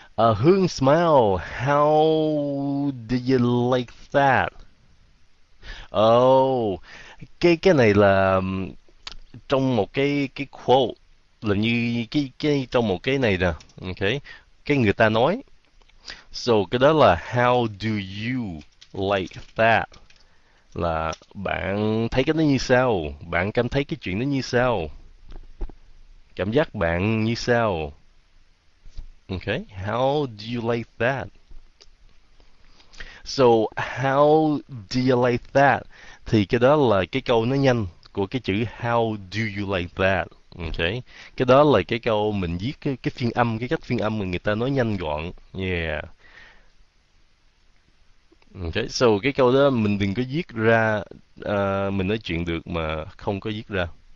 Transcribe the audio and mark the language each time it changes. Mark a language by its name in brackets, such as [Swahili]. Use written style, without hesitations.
[English] Hương Smile, how do you like that? [Vietnamese] Oh, cái này là trong một cái quote là như cái trong một cái này nè. Okay. Cái người ta nói. [English] So, [Vietnamese] cái đó là [English] how do you like that? [Vietnamese] Là bạn thấy cái nó như sao? Bạn cảm thấy cái chuyện nó như sao? Cảm giác bạn như sao? [English] Okay, how do you like that? So, how do you like that? [Vietnamese] Thì cái đó là cái câu nó nhanh của cái chữ [English] how do you like that? [Vietnamese] Okay. Cái đó là cái câu mình viết cái phiên âm, cái cách phiên âm mà người ta nói nhanh gọn. Yeah. Okay, so cái câu đó mình đừng có viết ra mình nói chuyện được mà không có viết ra.